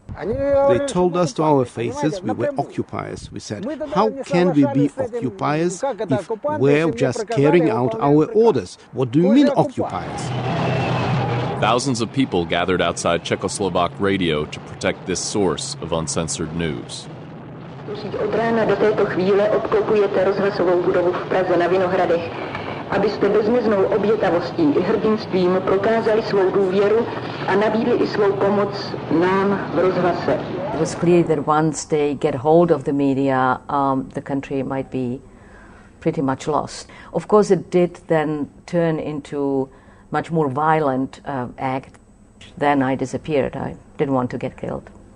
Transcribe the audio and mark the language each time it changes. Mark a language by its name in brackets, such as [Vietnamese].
[English] They told us to our faces we were occupiers. We said, how can we be occupiers if we're just carrying out our orders? What do you mean, occupiers? Thousands of people gathered outside Czechoslovak radio to protect this source of uncensored news. [Czech] Od rána do této chvíle obklopujete rozhlasovou budovu v Praze na Vinohradech, abyste bezmeznou obětavostí i hrdinstvím prokázali svou důvěru a nabídli i svou pomoc nám v rozhlase. [English] It was clear that once they get hold of the media, the country might be pretty much lost. Of course, it did then turn into much more violent act. Then I disappeared. I didn't want to get killed.